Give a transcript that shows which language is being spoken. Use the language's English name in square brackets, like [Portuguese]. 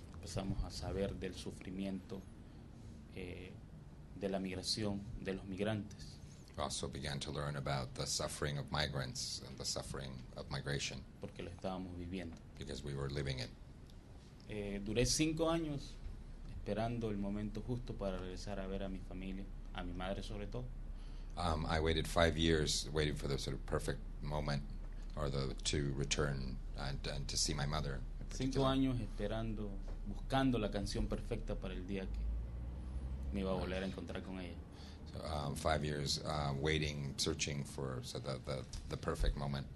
[Spanish] Empezamos a saber del sufrimiento de la migración de los migrantes. [English] We also began to learn about the suffering of migrants and the suffering of migration. [Spanish] Porque lo estábamos viviendo. [English] Because we were living it. [Spanish] Duré 5 años esperando el momento justo para regresar a ver a mi familia, a mi madre sobre todo. [English] I waited 5 years waiting for the sort of perfect moment or to return and to see my mother. [Spanish] 5 años esperando, buscando la canción perfecta para el día que me iba a volver a encontrar con ella. [English] So, 5 years waiting, searching for the perfect moment.